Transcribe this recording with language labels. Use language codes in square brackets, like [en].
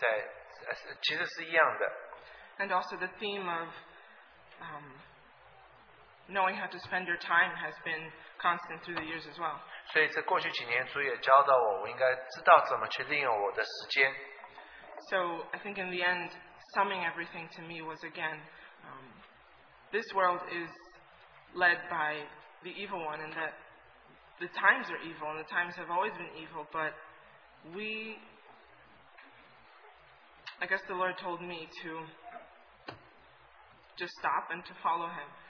[zh] 所以，但是我看见主给在我背后那个感觉，就是时间不多了，那个感觉慢慢的在，其实是一样的。 [en] And also the theme of knowing how to spend your time has been constant through the years as well. [zh] 所以这过去几年，主也教导我，我应该知道怎么去利用我的时间。 [en] So I think in the end, summing everything to me was again, this world is led by the evil one, and that the times are evil, and the times have always been evil, but we, I guess the Lord told me to just stop and to follow Him.